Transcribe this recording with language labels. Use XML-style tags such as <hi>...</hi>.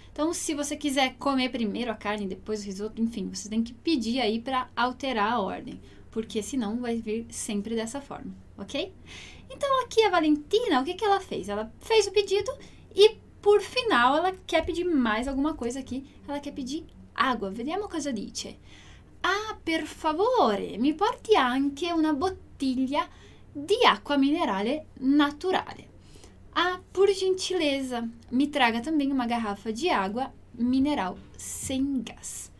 <pt>Então, se você quiser comer primeiro a carne, depois o risoto, enfim, você tem que pedir aí para alterar a ordem, porque senão vai vir sempre dessa forma, ok? Então, aqui a Valentina, o que que ela fez? Ela fez o pedido e, por final, ela quer pedir mais alguma coisa aqui. Ela quer pedir água.</pt> <it>Vediamo cosa dice. Ah, per favore, mi porti anche una bottiglia di acqua minerale naturale.</it> <pt>Ah, por gentileza, me traga também uma garrafa de água mineral sem gás.</pt>